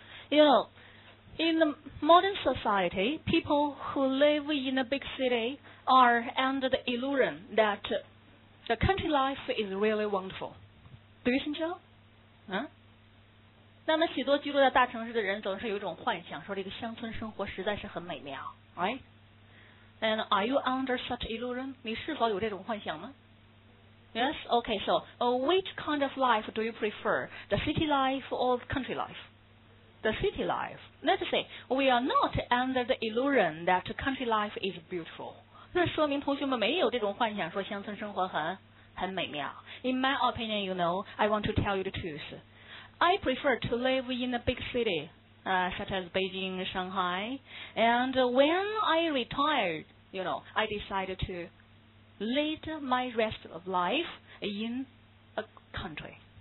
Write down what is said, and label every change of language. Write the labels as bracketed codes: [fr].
[en] You know, in the modern society, people who live in a big city are under the illusion that the country life is really wonderful. Do you think so? [zh] 那么许多居住在大城市的人总是有一种幻想，说这个乡村生活实在是很美妙， right? [en] And are you under such illusion? [zh] 你是否有这种幻想吗？ [en] Yes? Okay, so, which kind of life do you prefer? The city life or the country life? The city life. Let's say, we are not under the illusion that country life is beautiful. [zh] 那说明同学们没有这种幻想说乡村生活很美妙。 [en] In my opinion, you know, I want to tell you the truth. I prefer to live in a big city, such as Beijing, Shanghai. And when I retire you know, I decided to lead my rest of life in a country.